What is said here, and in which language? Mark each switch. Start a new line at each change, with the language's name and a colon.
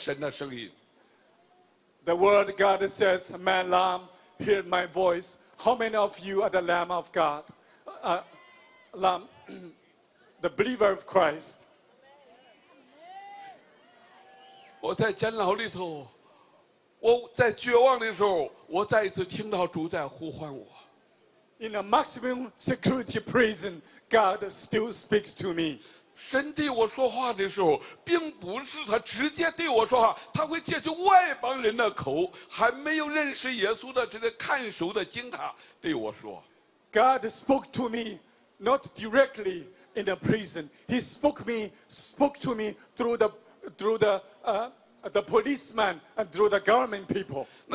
Chinese: 耶稣说：“我的羊听我的声音。我们中间有多少是神的羊？你听过神的声音？”
English: The Word God says, "My lamb hear my voice." How many of you are the lamb of God, lamb, the believer of Christ?
Chinese: 我在监牢里头，我在绝望的时候，我再一次听到主在呼唤我。
English: In a maximum security prison, God still speaks to me.
Chinese: 神对我说话的时候，并不是他直接对我说话，他会借着外邦人的口，还没有认识耶稣的这些看守的经塔对我说。
English: God spoke to me, not directly in the prison. He spoke to me through the policeman and through the government people.